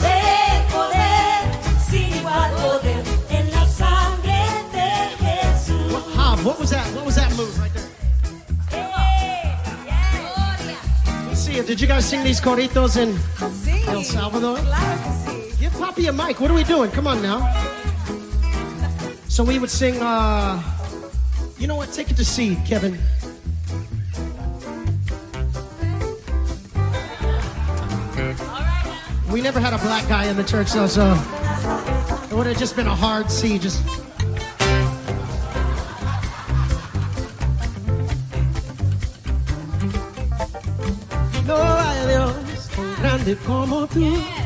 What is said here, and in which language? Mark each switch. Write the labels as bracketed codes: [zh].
[es] Hay poder, sin igual poder en la sangre de Jesús. [en] What was that? What was that move right there? Hey, yes. Let's see. Did you guys sing these coritos in El Salvador? [es] Claro que sí. [en] Give Papi a mic. What are we doing? Come on now. So we would sing, you know what? Take it to seed, Kevin. We never had a black guy in the church, though, so it would have just been a hard seed. Just [es] no hay Dios tan grande como tú.